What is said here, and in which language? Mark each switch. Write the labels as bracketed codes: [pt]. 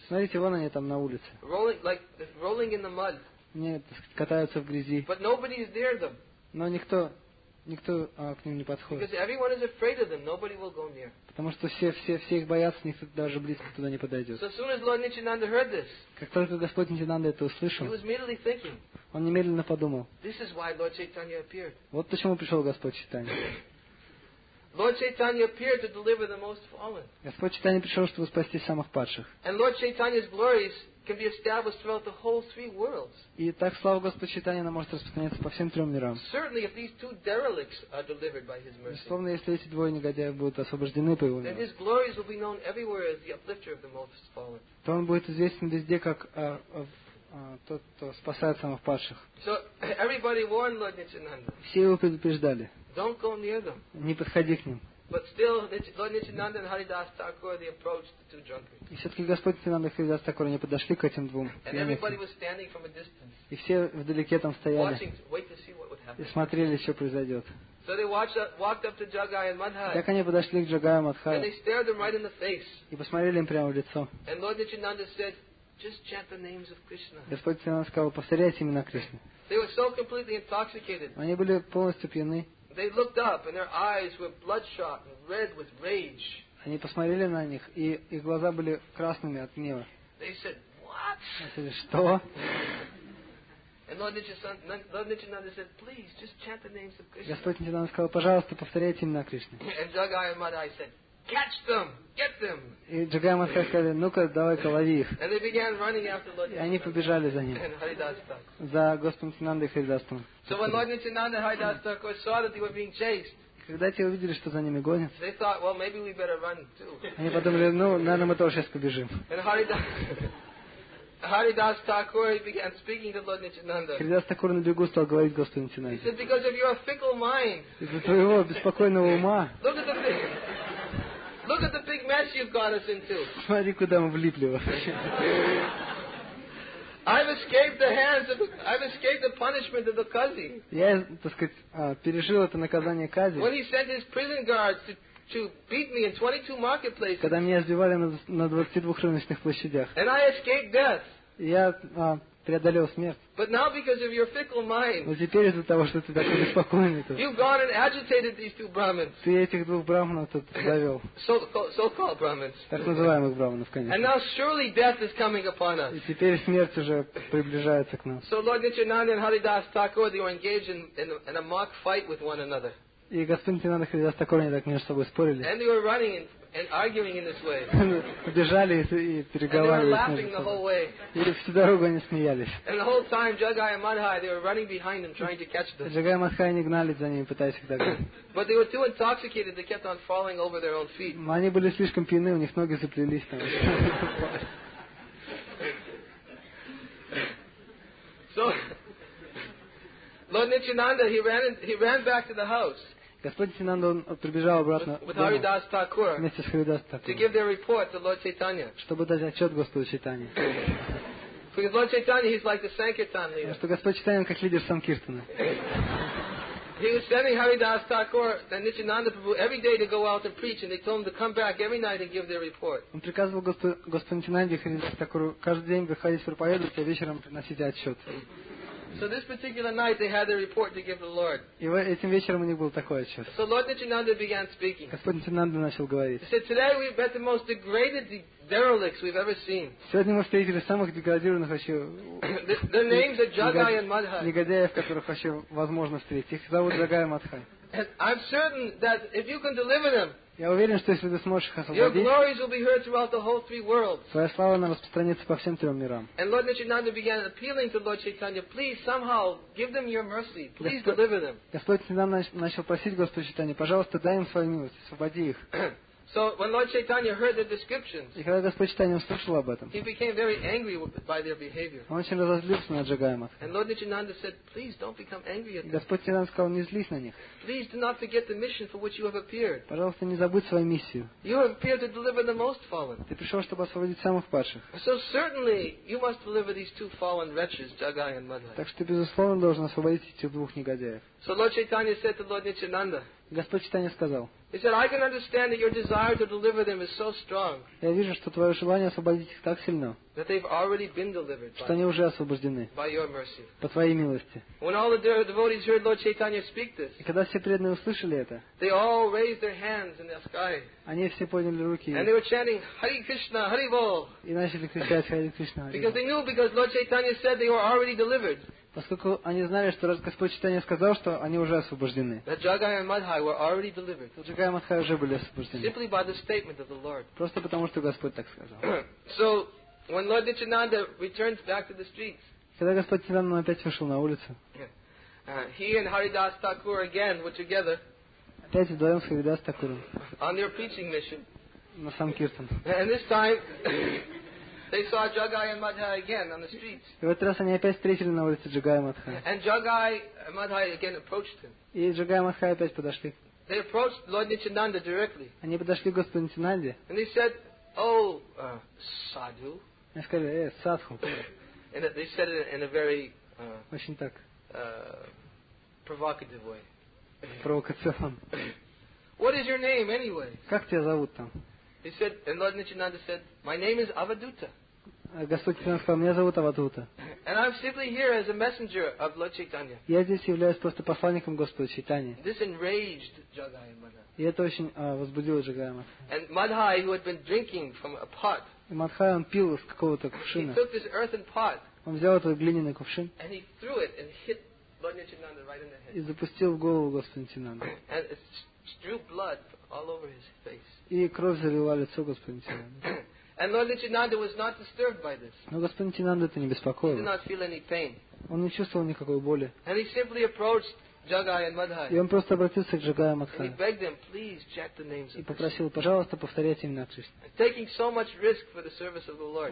[ru] Смотрите, вон они там на улице. [en] Rolling in the mud. [ru] Нет, катаются в грязи. [en] But nobody is near them. [ru] Но никто к ним не подходит. [en] Because everyone is afraid of them, nobody will go near. [ru] Потому что все их боятся, никто даже близко туда не подойдет. [en] So soon as Lord Nityananda heard this, [ru] как только Господь Нитянанда это услышал, [en] he was immediately thinking, [ru] он немедленно подумал. [en] This is why Lord Chaitanya appeared. [ru] Вот почему пришел Господь Чайтанья. [en] Lord Chaitanya appeared to deliver the most fallen. [ru] Господь Чайтанья пришел, чтобы спасти самых падших. [en] And Lord Chaitanya's glories can be established throughout the whole three worlds. [ru] И так слава Господа Чайтанья она может распространяться по всем трем мирам. [en] Certainly, if these two derelicts are delivered by His mercy, [ru] словно если эти двое негодяев будут освобождены по Его милости, [en] then His glories will be known everywhere as the uplifter of the most fallen. [ru] То он будет известен везде как тот, кто спасает самых падших. [en] So everybody warned Lord Nityananda. [ru] Все его предупреждали. [en] Don't go near them. [ru] Не подходи к ним. [en] But still, Lord Nityananda and Haridas Thakur they approached the two drunkards. [ru] И все-таки Господь Нитянанда и Харидас Такур они подошли к этим двум. [en] And everybody was standing from a distance. [ru] И все вдалеке там стояли. [en] Watching, wait to see what would happen. [ru] И смотрели, что произойдет. [en] So they walked up to Jagai and Madhai. [ru] Так они подошли к Джагаю и Мадхаю. [en] And they stared them right in the face. [ru] И посмотрели им прямо в лицо. [en] And Lord Nityananda said, just chant the names of Krishna. [ru] Господь Нитянанда сказал, повторяйте имена Кришны. [en] They were so completely intoxicated. [ru] Они были полностью пьяны. [en] They looked up, and their eyes were bloodshot and red with rage. [ru] Они посмотрели на них, и их глаза были красными от гнева. [en] They said, "What?" [ru] Они сказали, что? [en] And Lord Nityananda said, "Please, just chant the names of Krishna." [ru] Господь Нитянанда сказал, пожалуйста, повторяйте имена Кришны. [en] And Jagai and Madhai said, "Catch them, get them." [ru] И Джагай и Мадхай сказали, ну-ка, давай-ка лови их. [en] And they began running after Lord. [ru] И они побежали за ним. [en] And Haridas Thakur. [ru] За Господом Нитянандой и Харидасом. [en] So when Lord Nityananda and Haridas Thakur saw that they were being chased, [ru] когда те увидели, что за ними гонят, [en] they thought, well, maybe we better run too. [ru] Они подумали, ну, наверное, мы тоже сейчас побежим. [en] And Haridas Thakur began speaking to Lord Nityananda. [ru] Харидас Такур на бегу стал говорить Господу Нитянанде. [en] He said, because of your fickle mind. [ru] Из-за твоего беспокойного ума. [en] Look at the thing. Look at the big mess you've got us into. [ru] Смотри, куда мы влипли вообще. [en] I've escaped the punishment of the Kazi. [ru] Я, так сказать, пережил это наказание Кази. [en] When he sent his prison guards to beat me in 22 marketplaces. [ru] Когда меня сбивали на 22 рыночных площадях. [en] And I escaped death. [ru] Я преодолел смерть. [en] But now because of your fickle mind. [ru] Но теперь из-за того, что ты такой беспокойный тут. [en] You've gone and agitated these two Brahmins. [ru] Ты этих двух брахманов тут завел. [en] So-called Brahmins. [ru] Так называемых брахманов, конечно. [en] And now surely death is coming upon us. [ru] И теперь смерть уже приближается к нам. [en] So Lord Nityananda and Haridas Thakur, they were engaged in a mock fight with one another. [ru] И Господин Тинанда Харидаса Кори так между собой спорили. [en] And they were running and arguing in this way. [ru] Бежали и переговаривались между собой. [en] And they were laughing the whole way. [ru] И всю дорогу они смеялись. [en] And the whole time Jagai and Madhai, they were running behind them trying to catch them. [ru] Jagai and Madhai не гнались за ними, пытаясь их догнать. [en] But they were too intoxicated, they kept on falling over their own feet. [ru] Они были слишком пьяны, у них ноги заплелись там. [en] So Lord Nityananda, he ran back to the house. [ru] Господин Тинанда прибежал обратно вместе с Харидас Такур, чтобы дать отчет Господу Чайтанье. [en] Because Lord Chaitanya, he's like the Sankirtan leader. [ru] Что Господь Чайтанья как лидер Санкиртана. [en] He was sending Haridas Thakur and Nityananda Prabhu every day to go out and preach, and they told him to come back every night and give their report. [ru] Он приказывал Господу Нитинанде и Харидас Такуру каждый день выходить проповедовать, а вечером приносить отчет. [en] So this particular night they had their report to give the Lord. [ru] И этим вечером у них был такой отчет. [en] So Lord Nityananda began speaking. [ru] Господь Нитинанда начал говорить. [en] He said, "Today we've met the most degraded derelicts we've ever seen." [ru] Сегодня мы встретили самых деградированных вообще. [en] Their names are Jagai and Madhai. [ru] Негодяев, которых вообще возможно встретить. Их зовут Джагай и Мадхай. [en] And I'm certain that if you can deliver them, [ru] я уверен, что если ты сможешь их освободить, [en] your glories will be heard throughout the whole three worlds. [ru] Твоя слава она распространится по всем трем мирам. [en] And Lord Nityananda began appealing to Lord Chaitanya, please somehow give them your mercy, please deliver them. [ru] Господь Нитинанда начал просить Господа Чайтанью, пожалуйста, дай им свою милость, освободи их. [en] So when Lord Chaitanya heard the descriptions, [ru] и когда Господь Чайтанья услышал об этом, [en] he became very angry by their behavior. [ru] Он очень разозлился на Джагай Матхай. [en] And Lord Nityananda said, please don't become angry at them. [ru] Господь Нитинанда сказал, не злись на них. [en] Please do not forget the mission for which you have appeared. [ru] Пожалуйста, не забудь свою миссию. [en] You have appeared to deliver the most fallen. [ru] Ты пришел, чтобы освободить самых падших. [en] So certainly you must deliver these two fallen wretches, Jagai and Madhai. [ru] Так что безусловно должен освободить этих двух негодяев. [en] So Lord Chaitanya said to Lord Nityananda, [ru] Господь Чайтанья сказал, [en] he said, I can understand that your desire to deliver them is so strong. [ru] Я вижу, что твое желание освободить их так сильно, [en] that they've already been delivered. [ru] Что они уже освобождены. [en] By your mercy. [ru] По твоей милости. [en] When all the devotees heard Lord Chaitanya speak this, [ru] и когда все преданные услышали это, [en] they all raised their hands in the sky. [ru] Они все подняли руки. [en] And they were chanting Hare Krishna, Hare Bol. [ru] И начали кричать Hare Krishna, Hare Bol. [en] Because they knew, because Lord Chaitanya said they were already delivered. [ru] Поскольку они знали, что раз Господь Чайтанья сказал, что они уже освобождены. [en] Jagai and Madhai were already delivered. [ru] Jagai and Madhai уже были освобождены. [en] Simply by the statement of the Lord. [ru] Просто потому, что Господь так сказал. [en] So, when Lord Nityananda returns back to the streets, [ru] когда Господь Нитинанда опять вышел на улицу, [en] he and Haridas Thakur again were together, [ru] опять вдвоем с Харидас Такуром, [en] on their preaching mission, [ru] на Санкиртан. [en] And this time, they saw Jagai and Madhai again on the streets. [ru] И в этот раз они опять встретили на улице Джагай и Мадхай. [en] And Jagai and Madhai again approached him. [ru] И Джагай и Мадхай опять подошли. [en] They approached Lord Nityananda directly. [ru] Они подошли к Господу Нитинанде. [en] And they said, "Oh, sadhu." [ru] Они сказали, "Эй, садху." [en] And they said it in a very [ru] очень так [en] provocative way. [ru] Провокационно. [en] What is your name, anyway? [ru] Как тебя зовут там? [en] He said, and Lord Nityananda said, "My name is Avadhuta." [ru] Господь Нитинанда сказал, меня зовут Авадута. [en] And I'm simply here as a messenger of Lord Chaitanya. [ru] Я здесь являюсь просто посланником Господа Чайтаньи. [en] This enraged Jagai and Madhai. [ru] И это очень возбудило Джагай и Мадхай. [en] And Madhai, who had been drinking from a pot, [ru] и Мадхай он пил из какого-то кувшина. [en] He took this earthen pot. [ru] Он взял этот глиняный кувшин. [en] And he threw it and hit Lord Nityananda right in the head. [ru] И запустил в голову Господа Нитинанды. [en] And it drew blood all over his face. [ru] И кровь залила лицо Господа Нитинанды. [en] And Lord Nityananda was not disturbed by this. [ru] Но Господь Нитинанда это не беспокоил. [en] He did not feel any pain. [ru] Он не чувствовал никакой боли. [en] And he simply approached Jagai and Madhai. [ru] И он просто обратился к Джагай и Мадхай. [en] And he begged them, please check the names. [ru] И попросил, пожалуйста, повторяйте имена Кришны. [en] Taking so much risk for the service of the Lord.